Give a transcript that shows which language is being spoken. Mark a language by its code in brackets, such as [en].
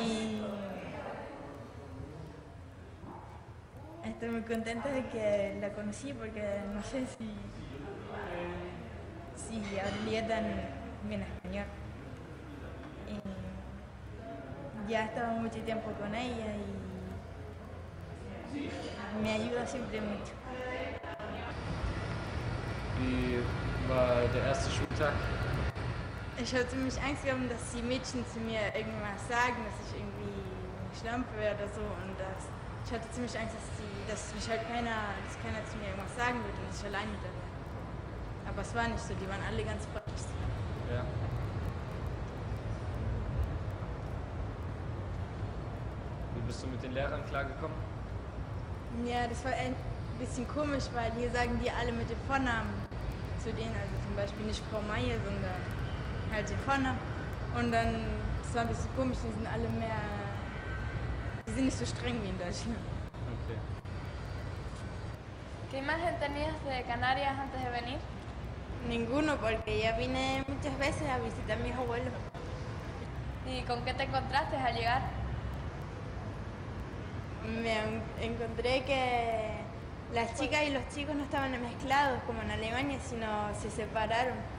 [es] Y estoy muy contenta de que la conocí porque no sé si hablé tan bien español. Ya he estado mucho tiempo con ella y me ayuda siempre mucho. [de] Wie war der erste Schultag? Ich hatte mich Angst gehabt, dass die Mädchen zu mir irgendwas sagen, dass ich irgendwie Schlampe wäre oder so. Und dass ich hatte ziemlich Angst, dass keiner zu mir irgendwas sagen würde und ich alleine da wäre. Aber es war nicht so, die waren alle ganz freundlich. Ja. Wie bist du mit den Lehrern klargekommen? Ja, das war ein bisschen komisch, weil hier sagen die alle mit dem Vornamen zu denen, also zum Beispiel nicht Frau Meier, sondern halt den Vornamen. Und dann, das war ein bisschen komisch, die sind alle mehr, die sind nicht so streng wie in Deutschland. Okay. [es] ¿Qué imagen tenías de Canarias antes de venir? Ninguno, porque ya vine muchas veces a visitar a mis abuelos. ¿Y con qué te encontraste al llegar? Me encontré que las chicas y los chicos no estaban mezclados como en Alemania, sino se separaron.